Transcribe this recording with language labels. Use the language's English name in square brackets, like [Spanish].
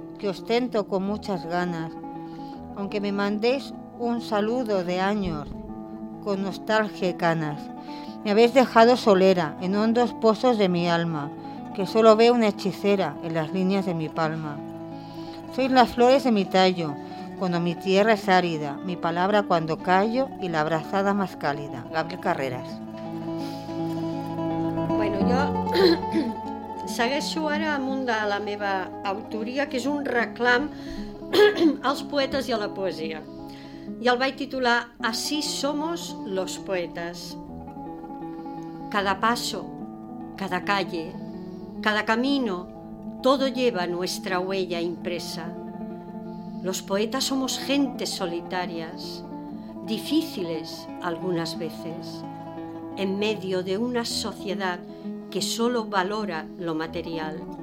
[Spanish] que ostento con muchas ganas. Aunque me mandéis un saludo de años, con nostalgia y canas, me habéis dejado solera en hondos pozos de mi alma, que solo ve una hechicera en las líneas de mi palma. Sois las flores de mi tallo, cuando mi tierra es árida, mi palabra cuando callo y la abrazada más cálida. Gabriel Carreras. [Catalan] Bueno, jo segueixo ara amunt de la meva autoria, que és un reclam als poetes i a la poesia. I el vaig titular Así somos los poetas. [Spanish] Cada paso, cada calle, cada camino, todo lleva nuestra huella impresa. Los poetas somos gentes solitarias, difíciles algunas veces, en medio de una sociedad que solo valora lo material.